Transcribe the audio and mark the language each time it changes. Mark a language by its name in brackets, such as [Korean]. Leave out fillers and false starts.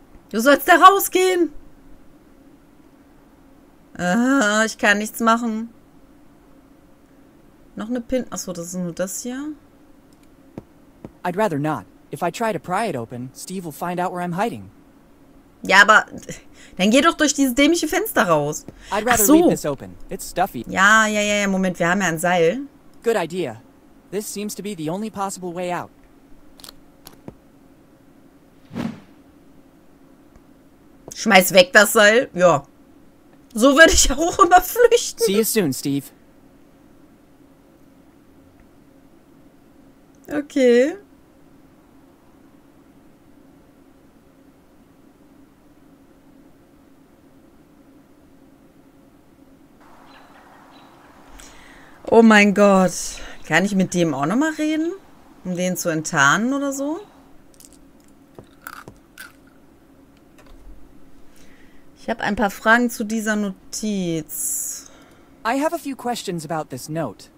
[German] Du sollst da rausgehen. Ich kann nichts machen. Noch eine Pin. Achso, das ist nur das hier. [English] I'd rather not. If I try to pry it open, Steve will find out where I'm hiding. [German] Ja, aber dann geh doch durch dieses dämliche Fenster raus. [English] I'd rather leave this open. It's stuffy. [German] Ja, Moment, wir haben ja ein Seil. [English] Good idea. This seems to be the only possible way out. [German] Schmeiß weg das Seil. Ja. So würde ich auch immer flüchten. [English] See you soon, Steve. Okay. [German] Oh mein Gott. Kann ich mit dem auch nochmal reden? Um den zu enttarnen oder so? Ich habe ein paar Fragen zu dieser Notiz. [English] I have a few questions about this note.